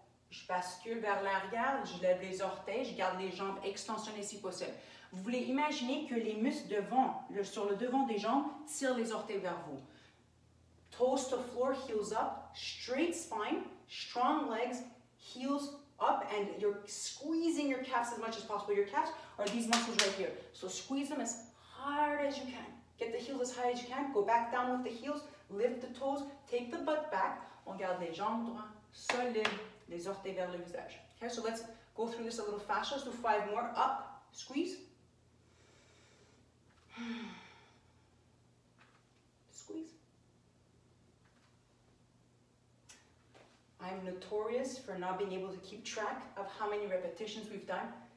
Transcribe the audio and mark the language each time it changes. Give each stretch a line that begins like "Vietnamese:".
French: Je bascule vers l'arrière, je lève les orteils, je garde les jambes extensionnées si possible. Vous voulez imaginer que les muscles devant, sur le devant des jambes, tirent les orteils vers vous.
English: Toes to floor, heels up, straight spine, strong legs, heels up, and you're squeezing your calves as much as possible. Your calves are these muscles right here. So squeeze them as hard as you can. Get the heels as high as you can. Go back down with the heels, lift the toes, take the butt back.
French: On garde les jambes droites, solides, les orteils vers le visage.
English: Okay, so let's go through this a little faster. Let's do five more. Up, squeeze. I'm notorious for not being able to keep track of how many repetitions we've done.